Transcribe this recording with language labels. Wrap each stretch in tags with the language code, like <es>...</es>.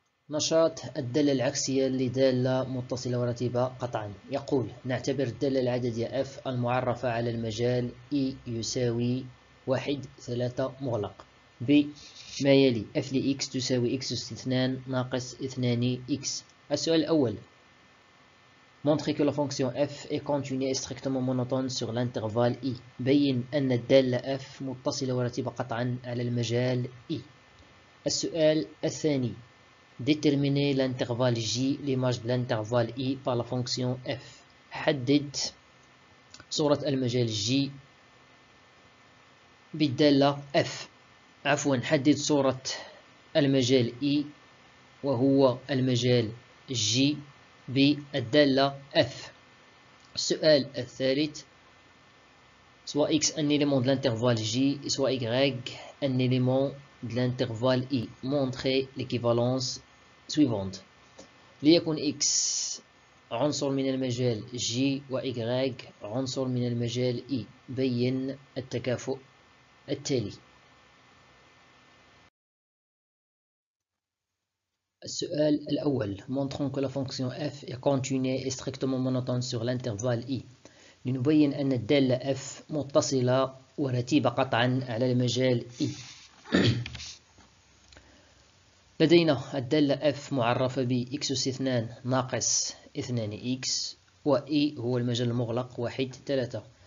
<ar>نشاط الدالة العكسية لدالة متصلة ورتيبة قطعا يقول: نعتبر الدالة العددية F المعرفة على المجال E يساوي 1 3 مغلق ب ما يلي: F لـ X تساوي X أس 2 ناقص 2 X. السؤال الأول:</ar> <fr>montre que la fonction F est continue et strictement monotone sur l'intervalle E.</fr> <ar>بين أن الدالة F متصلة ورتيبة قطعا على المجال E. السؤال الثاني:</ar> <fr>Déterminer l'intervalle J, l'image de l'intervalle I par la fonction f.</fr> <ar>حدد صورة المجال J بالدالة f. عفوا، حدد صورة المجال I وهو المجال J بالدالة f. السؤال الثالث:</ar> <fr>soit x un élément de l'intervalle J, soit y un élément de l'intervalle I. Montrez l'équivalence suivante.</fr> <ar>ليكن x عنصر من المجال g و y عنصر من المجال e. بين التكافؤ التالي. السؤال الأول:</ar> <fr>montrons que la fonction f est continue et strictement monotone sur l'intervalle e.</fr> <ar>لنبين أن الدالة f متصلة ورتيبة قطعا على المجال e. لدينا الدالة F معرفة ب x أس 2 ناقص 2 x، و E هو المجال المغلق 1 3.</ar>